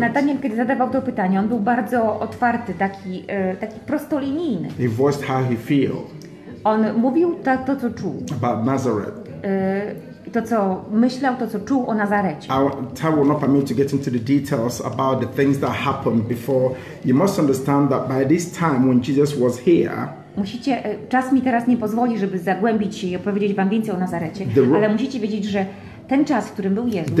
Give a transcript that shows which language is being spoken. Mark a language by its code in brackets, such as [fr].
[pl] Nathanael, kiedy zadawał to pytanie, on był bardzo otwarty, taki prostolinijny. [en] He voiced how he feel. [pl] On mówił to co czuł. [en] About Nazareth. [pl] To co myślał, to co czuł o Nazarecie. [en] Time will not permit to get into the details about the things that happened before. You must understand that by this time when Jesus was here. [pl] Musicie, czas mi teraz nie pozwoli, żeby zagłębić się i opowiedzieć wam więcej o Nazarecie, ale musicie wiedzieć, że ten czas, w którym był Jezus.